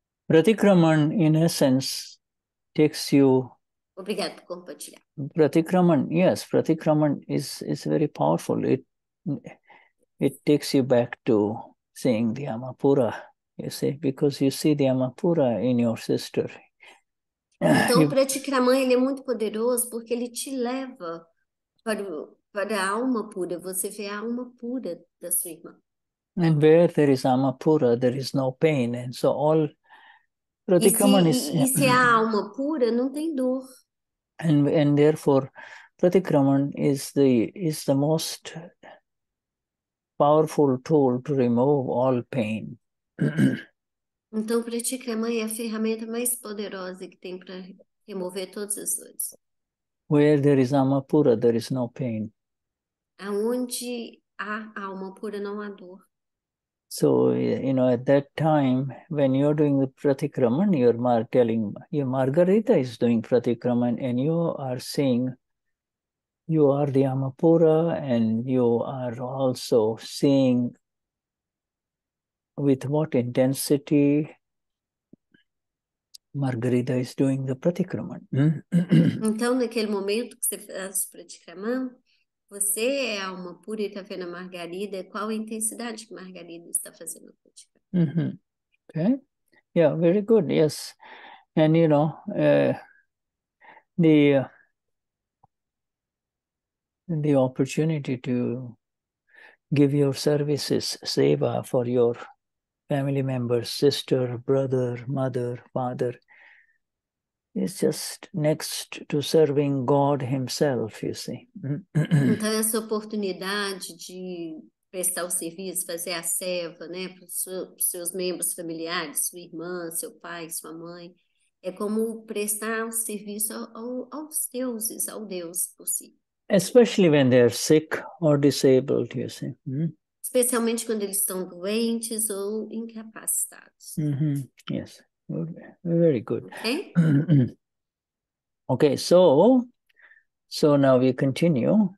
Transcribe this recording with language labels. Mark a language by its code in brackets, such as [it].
[en] Pratikraman, in essence, takes you... [pt] Obrigado, compartilhar. [en] Pratikraman, yes. Pratikraman is very powerful. It takes you back to seeing the Amapura, you see, because you see the Amapura in your sister. [pt] Então, o Pratikraman, ele é muito poderoso porque ele te leva para a alma pura. Você vê a alma pura da sua irmã. [en] And where there is Amapura, there is no pain. And so all... Pratikraman [pt] e se a alma pura, não tem dor. [en] And therefore, Pratikraman is the most powerful tool to remove all pain. [pt] Então, Pratikraman é a ferramenta mais poderosa que tem para remover todas as dores. [en] Where there is alma pura, there is no pain. [pt] Aonde há alma pura, não há dor. [en] So, you know, at that time, when you're doing the pratikraman, Margarita is doing pratikraman, and you are seeing, you are the Amapura, and you are also seeing with what intensity Margarita is doing the pratikraman. [pt] Então, naquele momento que você faz pratikraman, você é a alma pura e está vendo a Margarida. Qual a intensidade que Margarida está fazendo? [en] Mm-hmm. Okay. Yeah, very good. Yes. And, you know, the opportunity to give your services, seva, for your family members, sister, brother, mother, father, it's just next to serving God himself, you see. [pt] Então, essa oportunidade de prestar o serviço, fazer a seva, né, para os seus membros familiares, sua irmã, seu pai, sua mãe, é como prestar um serviço aos deuses, ao Deus possível. [en] Especially when they're sick or disabled, you see. Mm-hmm. [pt] Especialmente quando eles estão doentes ou incapacitados. [en] Mm-hmm. Yes. Very good. Okay. Okay, so now we continue.